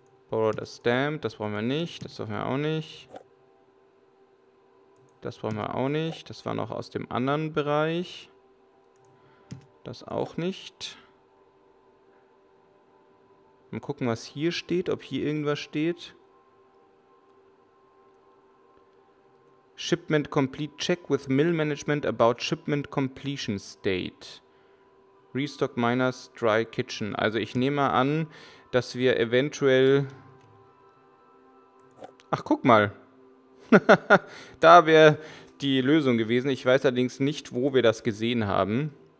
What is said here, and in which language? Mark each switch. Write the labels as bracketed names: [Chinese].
[English] Borrow the Stamp, [German] das brauchen wir nicht, das brauchen wir auch nicht. Das brauchen wir auch nicht, das war noch aus dem anderen Bereich. Das auch nicht. Mal gucken, was hier steht, ob hier irgendwas steht. [English] Shipment complete, check with mill management about shipment completion state. Restock miners dry kitchen. [German] Also ich nehme an, dass wir eventuell... Ach, guck mal. Da wäre die Lösung gewesen. Ich weiß allerdings nicht, wo wir das gesehen haben.